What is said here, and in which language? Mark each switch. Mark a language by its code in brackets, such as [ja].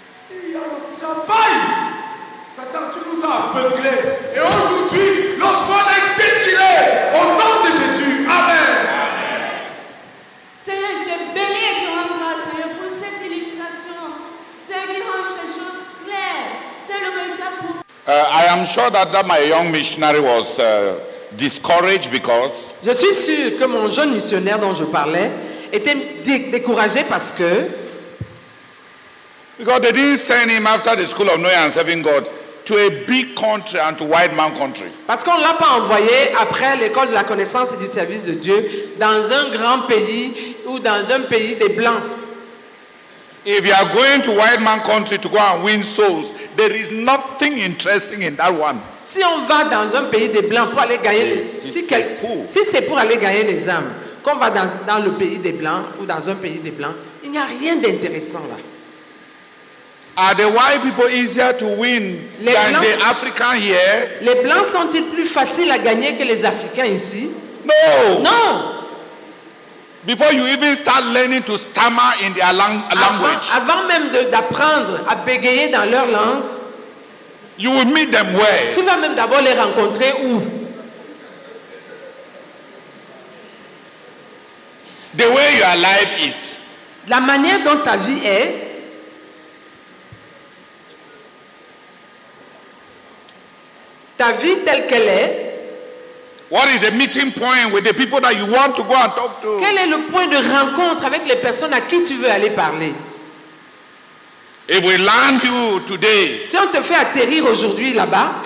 [fr] Il y a le travail. Satan, tu nous as aveuglés. Et aujourd'hui, notre vol est déchiré. Au nom de Jésus. Amen. Seigneur, je te bénis et te rends grâce, Seigneur, pour cette illustration. Seigneur, qui rend ces choses claires. C'est le véritable pour. [en] I am sure that my young missionary was discouraged because. [fr] Je suis sûr que mon jeune missionnaire dont je parlais était découragé parce que. [en] Because they didn't send him after the school of knowing and serving God to a big country and to white man country. [fr] Parce qu'on l'a pas envoyé après l'école de la connaissance et du service de Dieu dans un grand pays ou dans un pays des blancs. [en] If you are going to white man country to go and win souls, there is nothing interesting in that one. [fr] Si on va dans un pays des blancs pour aller gagner, si c'est pour aller gagner des âmes, qu'on va dans le pays des blancs ou dans un pays des blancs, il n'y a rien d'intéressant là. [en] Are the white people easier to win [fr] les [en] than [fr] blancs, [en] the African here? [fr] Les blancs sont-ils plus faciles à gagner que les Africains ici? [en] No. [fr] Non. [en] Before you even start learning to stammer in their language. [fr] Avant même d'apprendre à bégayer dans leur langue. [en] You will meet them where? [fr] Tu vas même d'abord les rencontrer où? [en] The way your life is. [fr] La manière dont ta vie est. Ta vie telle qu'elle est. [en] What is the meeting point with the people that you want to go and talk to? [fr] Quel est le point de rencontre avec les personnes à qui tu veux aller parler? [en] If we land you today. [fr] Si on te fait atterrir aujourd'hui là-bas.